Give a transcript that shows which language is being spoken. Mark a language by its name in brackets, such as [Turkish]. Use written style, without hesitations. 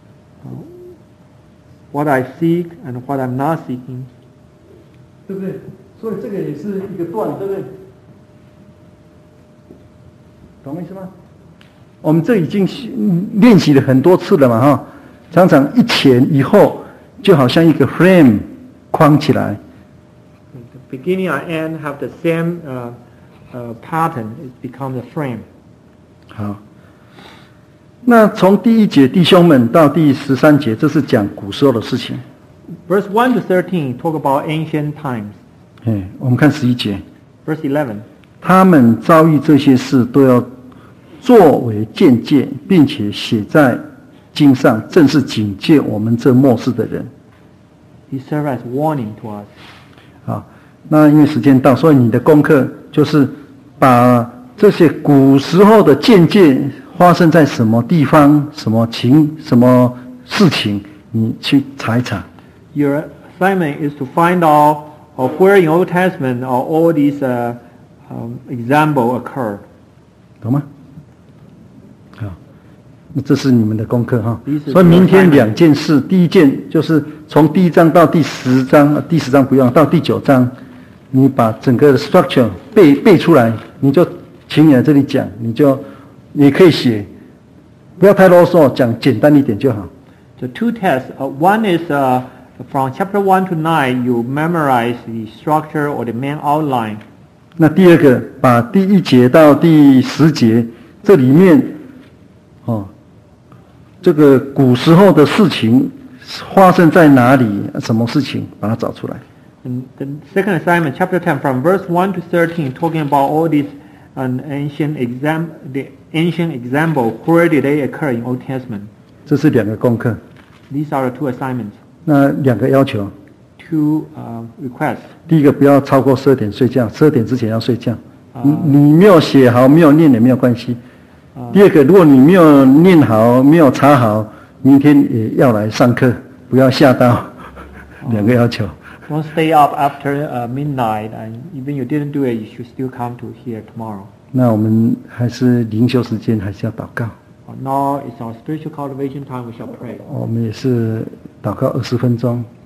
[English] Verse 33, what I seek and what I'm not seeking. [Chinese] 对不对？所以这个也是一个段，对不对？懂意思吗？我们这已经练习了很多次了嘛，哈，常常一前一后，就好像一个 frame 框起来。 [English] The beginning and end have the same pattern. It becomes a frame. [Chinese] 好。那从第一节弟兄们到第十三节，这是讲古时候的事情。 [English] Verse 1 to 13 talk about ancient times. [Chinese] 我们看十一节。 [English] Verse 11. [Chinese] 他们遭遇这些事都要作为鉴戒，并且写在经上，正是警戒我们这末世的人。 [English] He serves as warning to us. [Chinese] 好，那因为时间到，所以你的功课就是把这些古时候的鉴戒发生在什么地方、什么情、什么事情，你去查一查。 [English] Your assignment is to find out of where in Old Testament or all these example occurred. [Chinese] 懂吗？好，那这是你们的功课哈。所以明天两件事，第一件就是从第一章到第十章，第十章不用到第九章，你把整个 structure 背出来，你就请你来这里讲，你就。也可以写，不要太啰嗦，讲简单一点就好。 [English] The two tests, one is from chapter 1 to 9, you memorize the structure or the main outline. [Chinese] 那第二个，把第一节到第十节，这里面，这个古时候的事情发生在哪里，什么事情，把它找出来。 [English] And the second assignment, chapter 10, from verse 1 to 13, talking about all these an ancient exam, the ancient example, where did they occur in Old Testament? [Chinese] 这是两个功课。 [English] These are the two assignments. [Chinese] 那两个要求。 [English] Two requests. [Chinese] 第一个不要超过12点睡觉，12点之前要睡觉。你没有写好，没有念也没有关系。第二个，如果你没有念好，没有查好，明天也要来上课，不要吓到。两个要求。 [English] Don't stay up after midnight, and even you didn't do it, you should still come to here tomorrow. [Chinese] 那我们还是灵修时间，还是要祷告。 [English] Now it's our spiritual cultivation time. We shall pray. [Chinese] 我们也是祷告二十分钟。